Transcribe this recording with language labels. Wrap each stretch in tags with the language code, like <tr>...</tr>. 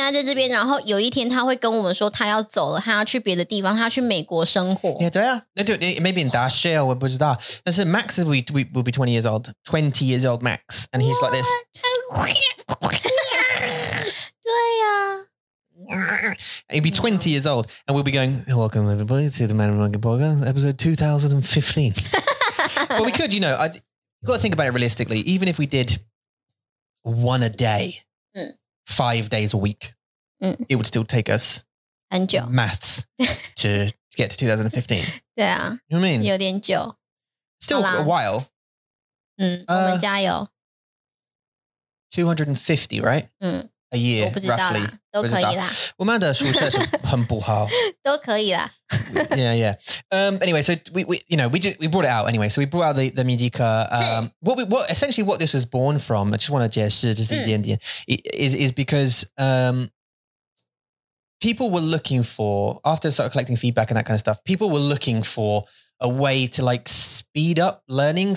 <zh>这个小baby现在在这边,然后有一天他会跟我们说, 他要走了,他要去别的地方,他要去美国生活。对啊。</zh> <en>Yeah, maybe in Dashiell,</en> <zh>我不知道,</zh> <en>但是Max will be 20 years old, 20 years old Max, and he's like this. What?</en> <zh>对啊。</zh> <en>He'd be 20 years old and we'll be going welcome everybody to the Man and Monkey podcast episode 2015 but we could you know you've got to think about it realistically even if we did one a day 5 days a week it would still take us maths to get to 2015 yeah you know what I mean</en> <zh>有点久</zh> <en>still a while</en> <zh>我们加油</zh> <en>250 right a year roughly</en> <zh>都可以啦。我们的数学是很不好。都可以啦。</zh> <en>Yeah, yeah. Anyway, so we you know, we brought it out anyway. So we brought out the Mijika. Essentially what this was born from, I just want to</en> <zh>解释,</zh> <en>just in the end, is because people were looking for, after sort of collecting feedback and that kind of stuff, people were looking for a way to like speed up learning.</en>